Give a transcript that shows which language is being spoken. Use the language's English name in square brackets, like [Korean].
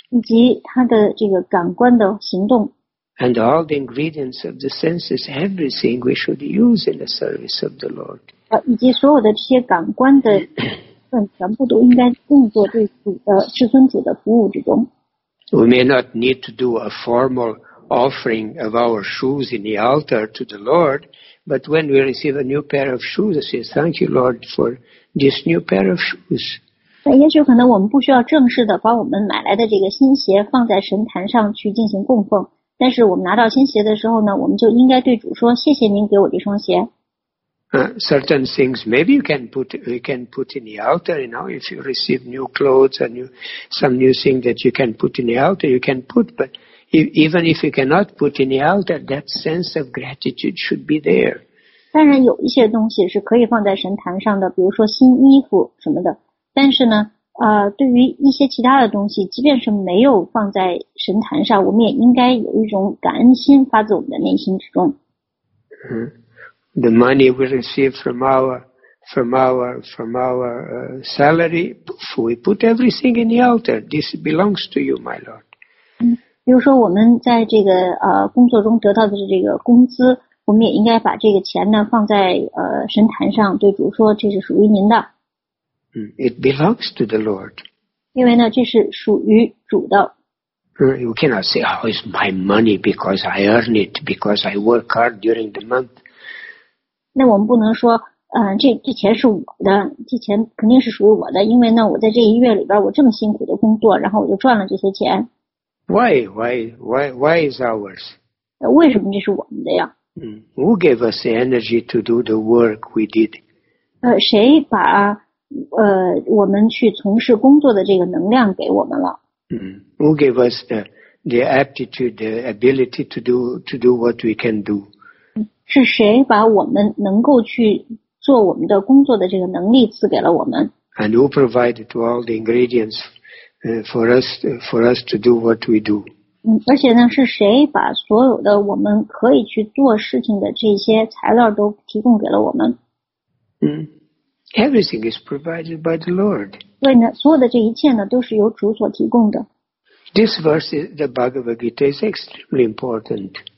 [Chinese] 以及他的这个感官的行动 [English] ，and all the ingredients of the senses, everything we should use in the service of the Lord. [Chinese] 以及所有的这些感官的全部都应该用作对至尊主的服务之中。 [English] We may not need to do a formal offering of our shoes in the altar to the Lord, but when we receive a new pair of shoes, I say, thank you, Lord, for this new pair of shoes. [Chinese] 那也许可能我们不需要正式的把我们买来的这个新鞋放在神坛上去进行供奉，但是我们拿到新鞋的时候呢，我们就应该对主说，谢谢您给我这双鞋。 [English] Certain things maybe you can put in the altar, you know, if you receive new clothes or some new thing that you can put in the altar, you can put, but even if you cannot put in the altar, that sense of gratitude should be there. [Chinese] 当然有一些东西是可以放在神坛上的，比如说新衣服什么的，但是呢对于一些其他的东西，即便是没有放在神坛上，我们也应该有一种感恩心发自我们的内心之中。 [English] The money we receive from our salary, we put everything in the altar. This belongs to you, my Lord. [Chinese] 比如说我们在这个工作中得到的这个工资，我们也应该把这个钱呢放在神坛上，对主说这是属于您的。 [English] It belongs to the Lord. [Chinese] 因为呢，这是属于主的。 [English] You cannot say, "Oh, it's my money because I earn it because I work hard during the month." [Chinese] 那我们不能说，这钱是我的，这钱肯定是属于我的，因为呢，我在这一月里边我这么辛苦的工作，然后我就赚了这些钱。 [English] Why is ours? [Chinese] 为什么这是我们的呀？ [English] Who gave us the energy to do the work we did? [Chinese] 谁把我们去从事工作的这个能量给我们了。 [English] Who gave us the aptitude, the ability to do what we can do? [Chinese] 是谁把我们能够去做我们的工作的这个能力赐给了我们？ [English] And who provided to all the ingredients for us to do what we do? [Chinese] 而且呢，是谁把所有的我们可以去做事情的这些材料都提供给了我们？ [English] Everything is provided by the Lord. [Chinese] 对呢，所有的这一切呢，都是由主所提供的。 [English] This verse, the Bhagavad Gita, is extremely important.